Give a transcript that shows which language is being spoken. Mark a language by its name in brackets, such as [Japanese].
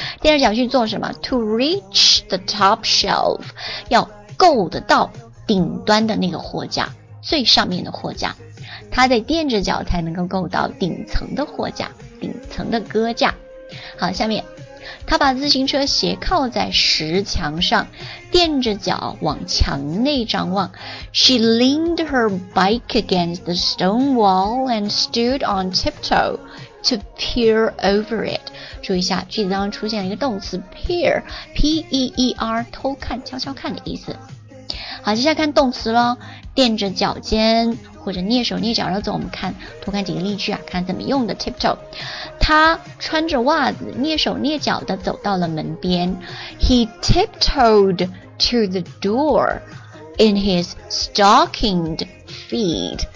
[Chinese] 垫着脚去做什么？ [English] To reach the top shelf, [Chinese] 要够得到顶端的那个货架，最上面的货架。他得垫着脚才能够够到顶层的货架，顶层的搁架。好，下面他把自行车斜靠在石墙上，垫着脚往墙内张望。 [English] She leaned her bike against the stone wall and stood on tiptoe to peer over it. [Chinese] 注意一下，句子当中出现了一个动词 peer, P-E-E-R, 偷看悄悄看的意思。好，接下来看动词咯，垫着脚尖或者蹑手蹑脚的走，我们看多看几个例句啊，看怎么用的 tiptoe。他穿着袜子蹑手蹑脚的走到了门边。 [English] He tiptoed to the door in his stockinged feet。